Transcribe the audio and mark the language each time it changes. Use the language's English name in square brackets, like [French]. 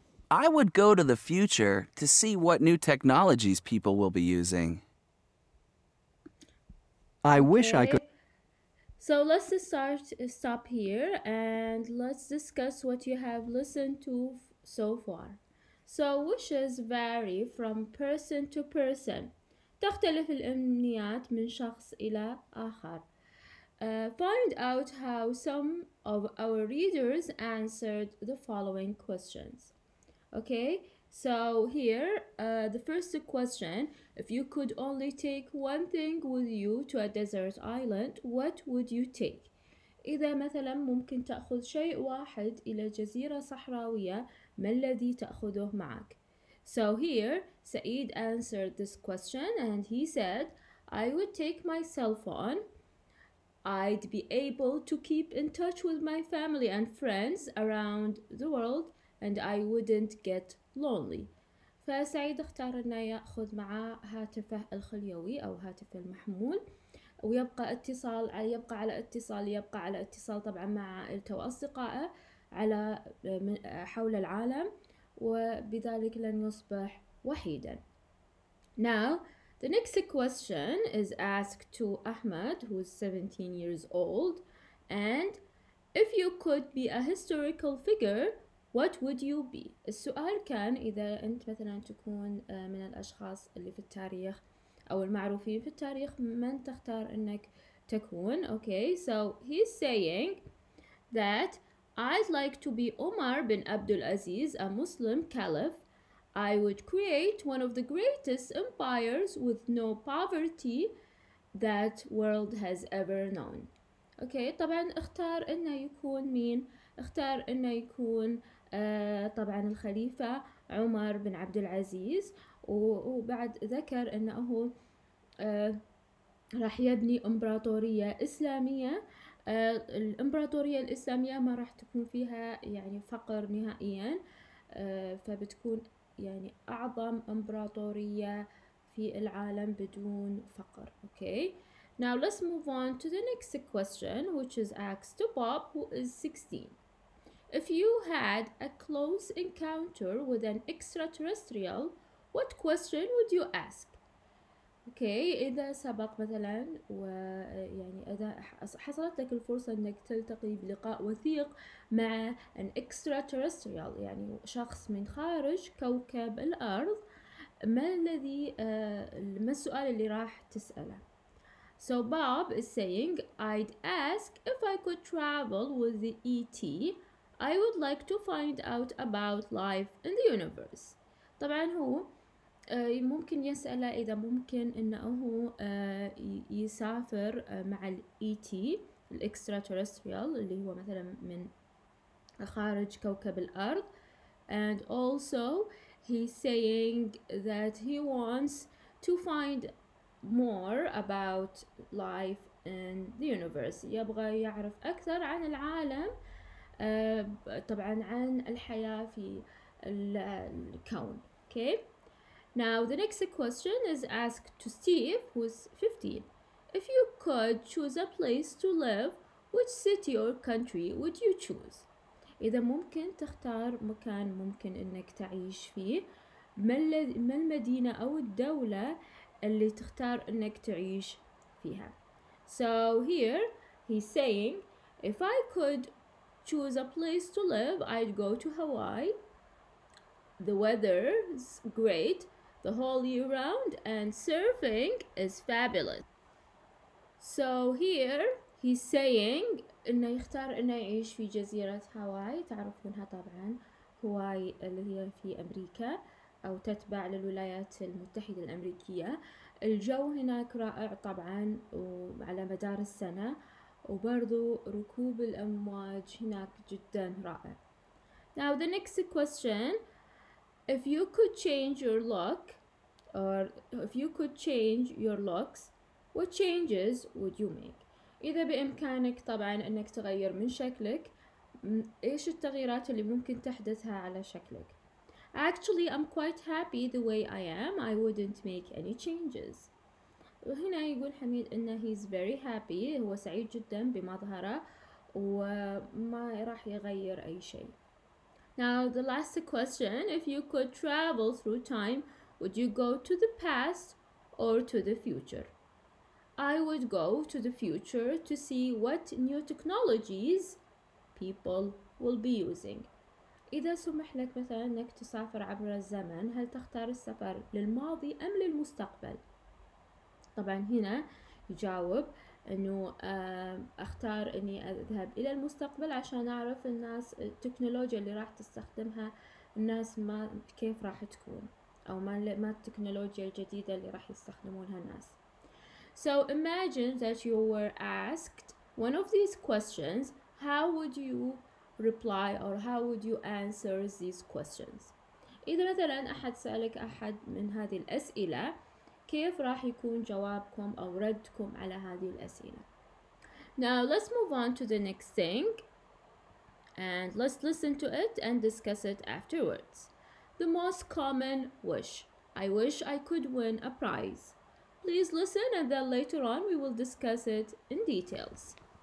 [English] I would go to the future to see what new technologies people will be using. I wish I could. So let's just stop here and let's discuss what you have listened to so far. So wishes vary from person to person. [Arabic] تختلف الأمنيات من شخص إلى آخر. [English] Find out how some of our readers answered the following questions. Okay, so here, the first question, if you could only take one thing with you to a desert island, what would you take? [Arabic] إذا مثلاً ممكن تأخذ شيء واحد إلى جزيرة صحراوية، ما الذي تأخذه معك؟ [English] So here, Saeed answered this question and he said, I would take my cell phone. I'd be able to keep in touch with my family and friends around the world and I wouldn't get lonely. [Arabic] فسعيد اختار انه ياخذ معه هاتفه الخليوي او هاتف المحمول ويبقى اتصال يبقى على اتصال يبقى على اتصال طبعا مع عائلته واصدقائه على حول العالم وبذلك لن يصبح وحيدا. [English] Now the next question is asked to Ahmed, who is 17 years old, and if you could be a historical figure, what would you be? [Arabic] السؤال كان إذا أنت مثلا تكون من الأشخاص اللي في التاريخ أو المعروفين في التاريخ من تختار أنك تكون. [English] Okay, so he's saying that I'd like to be Omar bin Abdul Aziz, a Muslim caliph. I would create one of the greatest empires with no poverty that world has ever known. [Arabic] Okay, طبعا اختار انه يكون مين؟ اختار انه يكون طبعا الخليفة عمر بن عبد العزيز وبعد ذكر انه راح يبني امبراطورية اسلامية. الامبراطورية الاسلامية ما راح تكون فيها يعني فقر نهائيا فبتكون يعني أعظم إمبراطورية في العالم بدون فقر. [English] Okay. Now let's move on to the next question, which is asked to Bob, who is 16. If you had a close encounter with an extraterrestrial, what question would you ask? Okay. [Arabic] إذا سبق مثلاً ويعني إذا حصلت لك الفرصة إنك تلتقي بلقاء وثيق مع [English] an extraterrestrial [Arabic] يعني شخص من خارج كوكب الأرض ما الذي ما السؤال اللي راح تسأله؟ [English] So Bob is saying I'd ask if I could travel with the ET. I would like to find out about life in the universe. [Arabic] طبعاً هو ممكن يسأل إذا ممكن إنه يسافر مع الET الإكستراتيرستريال اللي هو مثلا من خارج كوكب الأرض [English] and also he's saying that he wants to find more about life in the universe [Arabic] يبغى يعرف أكثر عن العالم طبعا عن الحياة في الكون. [English] Okay. Now, the next question is asked to Steve, who is 15. If you could choose a place to live, which city or country would you choose? [Arabic] إذا ممكن تختار مكان ممكن إنك تعيش فيه، ما المدينة أو الدولة اللي تختار إنك تعيش فيها؟ [English] So, here he's saying, if I could choose a place to live, I'd go to Hawaii. The weather's great. The whole year round and surfing is fabulous. So here he's saying [Arabic] إنه يختار إنه يعيش في جزيرة هاواي تعرفونها طبعاً هاواي اللي هي في أمريكا أو تتبع للولايات المتحدة الأمريكية. الجو هناك رائع طبعاً وعلى مدار السنة وبرضو ركوب الأمواج هناك جداً رائع. [English] Now the next question. If you could change your look, or if you could change your looks, what changes would you make? [Arabic] إذا بإمكانك طبعاً أنك تغير من شكلك، إيش التغييرات اللي ممكن تحدثها على شكلك؟ [English] Actually, I'm quite happy the way I am. I wouldn't make any changes. [Arabic] وهنا يقول حميد أنه [English] he's very happy. [Arabic] هو سعيد جداً بمظهره وما راح يغير أي شيء. [English] Now, the last question, if you could travel through time, would you go to the past or to the future? I would go to the future to see what new technologies people will be using. [Arabic] إذا سمح لك مثلا أنك تسافر عبر الزمن، هل تختار السفر للماضي أم للمستقبل؟ طبعا هنا يجاوب أنه أختار أني أذهب إلى المستقبل عشان أعرف الناس التكنولوجيا اللي راح تستخدمها الناس ما كيف راح تكون أو ما التكنولوجيا الجديدة اللي راح يستخدمونها الناس. [English] So imagine that you were asked one of these questions, how would you reply or how would you answer these questions? [Arabic] إذا مثلا أحد سألك أحد من هذه الأسئلة كيف راح يكون جوابكم أو ردكم على هذه الأسئلة. [English] Now let's move on to the next thing and let's listen to it and discuss it afterwards. The most common wish. I wish I could win a prize. Please listen and then later on we will discuss it in details.